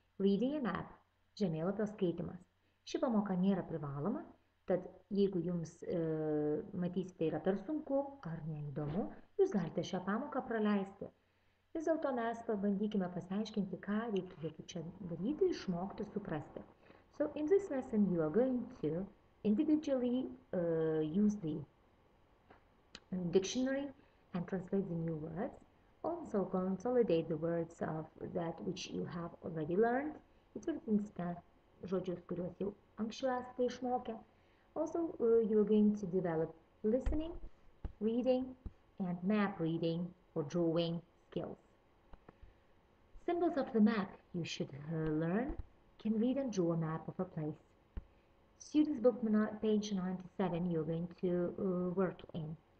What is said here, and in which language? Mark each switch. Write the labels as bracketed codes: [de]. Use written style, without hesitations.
[en] Reading a map, [lt] žemėlapio skaitimas. Ši pamoka nėra privaloma, tad jeigu jums matysite yra per sunku ar neįdomu, jūs galite šią pamoką praleisti. Vis dėlto mes pabandykime pasiaiškinti, ką reikėtų čia daryti, išmokti, suprasti. [en] So, in this lesson, you are going to individually use the dictionary and translate the new words. Also, consolidate the words of that which you have already learned. [lt] Įtvirtinsite žodžius, kuriuos jau anksčiau esate išmokę. [en] Also, you are going to develop listening, reading, and map reading or drawing skills. Symbols of the map you should learn can read and draw a map of a place. Students book page 97 you're going to work in.